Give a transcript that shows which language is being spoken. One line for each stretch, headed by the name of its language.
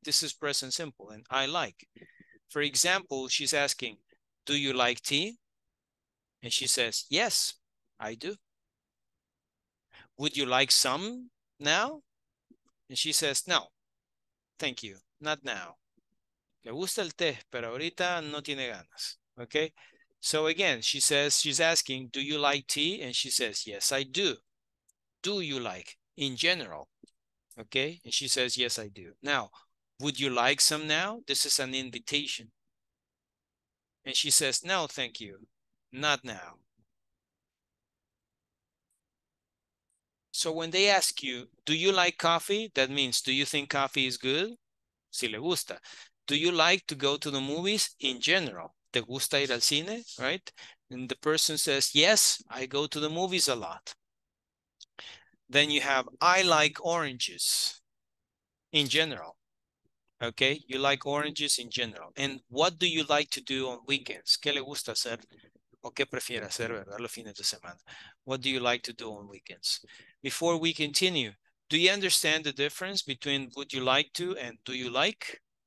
English: This is present simple and I like. For example, she's asking, do you like tea? And she says, yes, I do. Would you like some now? And she says, no, thank you, not now.
Spanish: Le gusta el té, pero ahorita no tiene ganas.
English: Okay, so again, she says, she's asking, do you like tea? And she says, yes, I do. Do you like in general? Okay, and she says, yes, I do. Now, would you like some now? This is an invitation. And she says, no, thank you, not now. So when they ask you, do you like coffee? That means, do you think coffee is good?
Spanish: Si le gusta.
English: Do you like to go to the movies in general?
Spanish: ¿Te gusta ir al cine?
English: Right? And the person says, yes, I go to the movies a lot. Then you have, I like oranges in general. Okay, you like oranges in general. And what do you like to do on weekends?
Spanish: ¿Qué le gusta hacer? ¿O qué prefiere hacer, verdad, los fines de semana?
English: What do you like to do on weekends? Before we continue, do you understand the difference between would you like to and do you like?